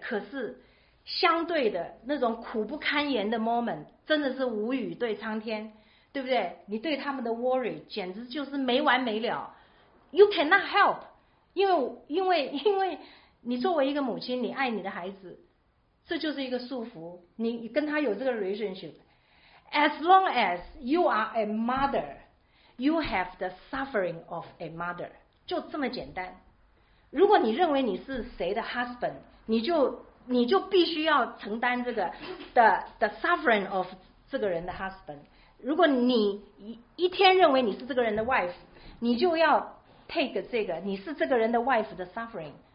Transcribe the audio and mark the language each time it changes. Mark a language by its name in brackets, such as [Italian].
[Chinese] 可是相对的那种苦不堪言的 moment 真的是无语对苍天，对不对？你对他们的 worry 简直就是没完没了， [English] you cannot help， [Chinese] 因为你作为一个母亲，你爱你的孩子，这就是一个束缚，你跟他有这个 relationship。 [English] As long as you are a mother, you have the suffering of a mother， [Chinese] 就这么简单。如果你认为你是谁的 husband， 你就必须要承担这个 [English] the suffering of [Chinese] 这个人的 husband。如果你一天认为你是这个人的 wife， 你就要 take 这个你是这个人的 wife 的 suffering。